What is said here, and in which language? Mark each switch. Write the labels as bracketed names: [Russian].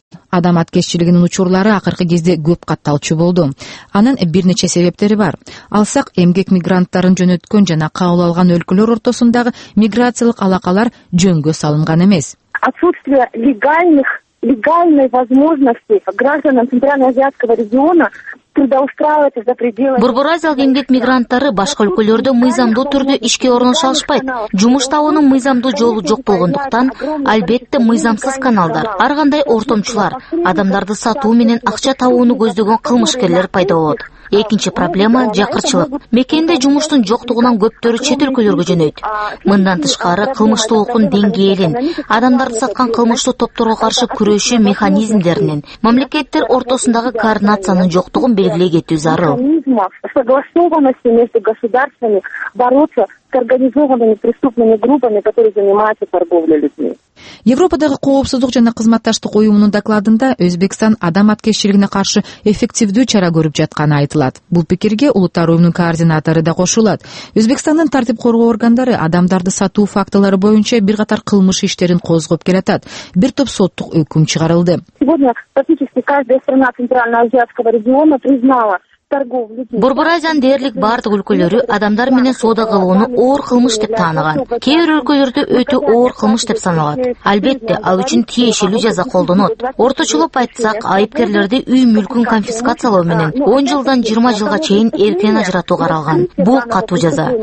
[Kyrgyz] Адам аткезчилигинин учурлары акыркы кезде көп катталчу болду. Анын бир нече себептери бар. Алсак, эмгек мигранттарын жөнөткөн жана кабыл алган өлкөлөр ортосундагы миграциялык алакалар жөнгө салынган эмес. [Russian] Отсутствие легальных легальной возможности гражданам Центрально-Азиатского региона трудоустраиваться за пределами... [Kyrgyz] Бурбуразиялык эмгек мигранттары башка өлкөлөрдө мыйзамдуу түрдө ишке орношо алышпайт. Жумуш табуунун мыйзамдуу жолу жок болгондуктан, албетте мыйзамсыз каналдар, ар кандай ортомчулар, адамдарды сатуу менен акча табууну көздөгөн кылмышкерлер пайда болот. Экинчи проблема – жакырчылык. Мекенде жумуштун жоктугунан көптөрү чет өлкөлөргө жөнөйт. Мындан тышкары кылмыштуулуктун деңгээлин, адамдарды саткан кылмыштуу топторго каршы күрөшүү механизмдеринин, мамлекеттер ортосундагы координациянын жоктугун белгилей кетүү зарыл. [Russian] Согласованности между государствами бороться с организованными преступными группами, которые занимаются торговлей людьми. [Kyrgyz] Европадагы коопсуздук жана кызматташтык уюмунун докладында Өзбекстан адам аткезчилигине каршы эффективдүү чара көрүп жатканы айтылат. Бул пикирге улуттар уюмунун координатору да кошулат. Өзбекстандын тартип коргоо органдары адамдарды сатуу фактылары боюнча бир катар кылмыш иштерин козгоп келатат. Бир топ соттук өкүм чыгарылды. [Russian] Сегодня практически каждая страна Центрально-Азиатского региона признала. [Kyrgyz] Бурбуразиянын дээрлик бардык өлкөлөрү адамдар менен соода кылууну оор кылмыш деп тааныган. Кээ бир өлкөлөрдө өтө оор кылмыш деп саналат. Албетте, ал үчүн тиешелүү жаза колдонот. Орточолоп айтсак, айыпкерлерди үй мүлкүн конфискациялоо менен 10 жылдан 20 жылга чейин эркинен ажыратуу каралган. Бул катуу жаза.